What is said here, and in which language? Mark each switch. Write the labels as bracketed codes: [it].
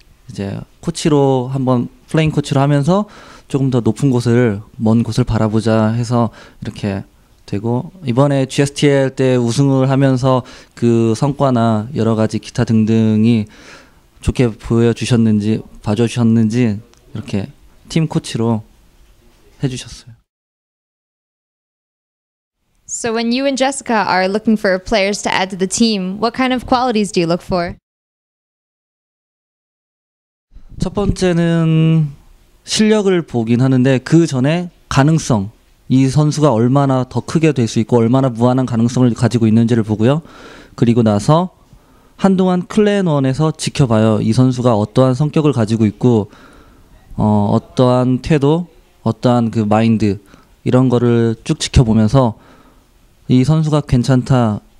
[ko] 이제 코치로 한번 플레잉 코치로 하면서 조금 더 높은 곳을 먼 곳을 바라보자 해서 이렇게 되고 이번에 GSTL 때 우승을 하면서 그 성과나 여러 가지 기타 등등이 좋게 보여주셨는지 봐주셨는지 이렇게 팀 코치로 해주셨어요. [en] So when you and Jessica are looking for players to add to the team, what kind of qualities do you look for? [ko] 첫 번째는 실력을 보긴 하는데 그 전에 가능성, 이 선수가 얼마나 더 크게 될 수 있고 얼마나 무한한 가능성을 가지고 있는지를 보고요. 그리고 나서 한동안 클랜원에서 지켜봐요. 이 선수가 어떠한 성격을 가지고 있고 어떠한 태도, 어떠한 그 마인드 이런 거를 쭉 지켜보면서 이 선수가 괜찮다.